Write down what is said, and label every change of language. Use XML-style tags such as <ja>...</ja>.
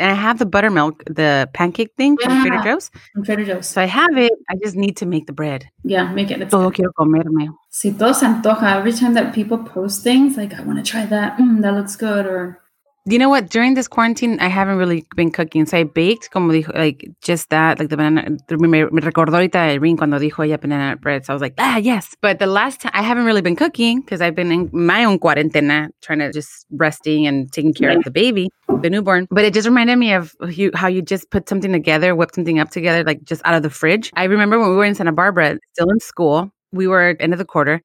<en>And I have the buttermilk, the pancake thing from Trader Joe's. From Trader Joe's. So I have it. I just need to make the bread. Yeah, make it.</en> <es>Todo quiero comerme. Si todo se antoja.</es> <en>Every time that people post things, like, I want to try that. Mm, that looks good. Or... You know what? During this quarantine, I haven't really been cooking. So I baked,</en> <es>como dijo,</es> <en>like just that, like the banana.</en> <es>Me recordó ahorita Irene cuando dijo ella banana bread.</es> <en>So I was like, ah, yes. But the last time, I haven't really been cooking because I've been in my own cuarentena, trying to just resting and taking care of the baby, the newborn. But it just reminded me of how you just put something together, whipped something up together, like just out of the fridge. I remember when we were in Santa Barbara, still in school. We were end of the quarter.</en>